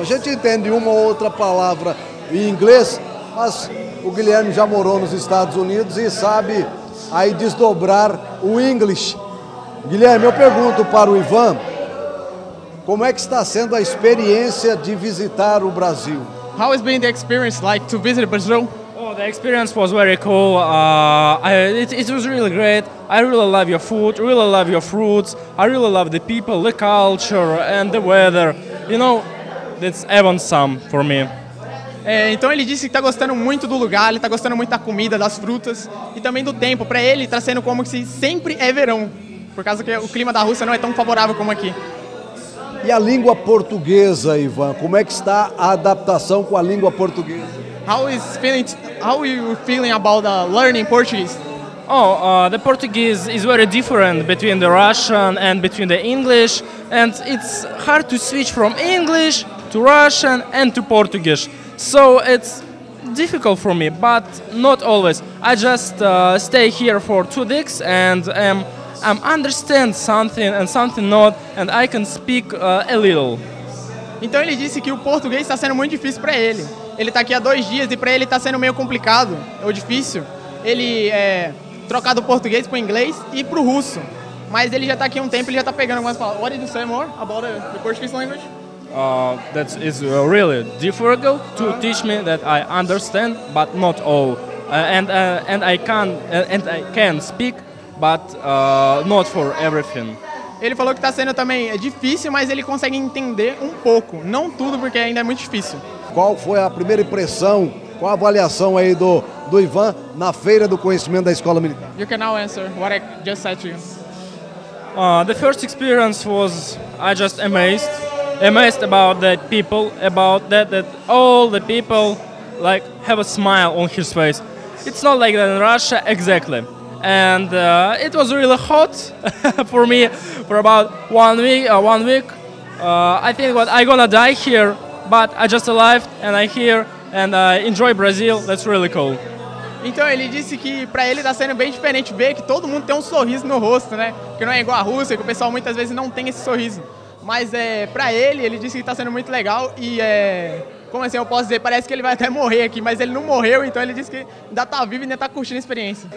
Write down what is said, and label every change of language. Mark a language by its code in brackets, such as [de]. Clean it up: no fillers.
[pt] A gente entende uma ou outra palavra em inglês, mas o Guilherme já morou nos Estados Unidos e sabe aí desdobrar o inglês. Guilherme, eu pergunto para o Ivan, como é que está sendo a experiência de visitar o Brasil? [en] How has been the experience like to visit Brazil? The experience was very cool. It was really great. I really love your food, really love your fruits. I really love the people, the culture and the weather. You know, that's awesome for me. [pt] É, então ele disse que está gostando muito do lugar, ele está gostando muito da comida, das frutas e também do tempo. Para ele está sendo como se sempre é verão, por causa que o clima da Rússia não é tão favorável como aqui. E a língua portuguesa, Ivan? Como é que está a adaptação com a língua portuguesa? [en] How are you feeling about learning Portuguese? Oh, the Portuguese is very different between the Russian and between the English, and it's hard to switch from English to Russian and to Portuguese. So it's difficult for me, but not always. I just stay here for 2 weeks and I understand something and something not, and I can speak a little. [pt] Então ele disse que o português está sendo muito difícil para ele. Ele está aqui há 2 dias e para ele está sendo meio complicado ou difícil. Ele é trocar do português para o inglês e para o russo. Mas ele já está aqui há um tempo, ele já está pegando algumas palavras. [en] What did you say more about the Portuguese language? That is really difficult to teach me that I understand, but not all. And I can speak, but not for everything. [pt] Ele falou que está sendo também difícil, mas ele consegue entender um pouco. Não tudo, porque ainda é muito difícil. Qual foi a primeira impressão, qual a avaliação aí do Ivan na Feira do Conhecimento da Escola Militar? [en] You can now answer what I just said to you. The first experience was I just amazed. Amazed about the people, about that all the people like have a smile on his face. It's not like that in Russia, exactly. And it was really hot for me for about 1 week. I think what I'm gonna die here, but I just arrived and I'm here and I enjoy Brazil. That's really cool. [pt] Então ele disse que para ele está sendo bem diferente ver que todo mundo tem um sorriso no rosto, né? Que não é igual a Rússia, que o pessoal muitas vezes não tem esse sorriso. Mas é para ele disse que está sendo muito legal e como assim, eu posso dizer, parece que ele vai até morrer aqui, mas ele não morreu, então ele disse que ainda está vivo e ainda está curtindo a experiência.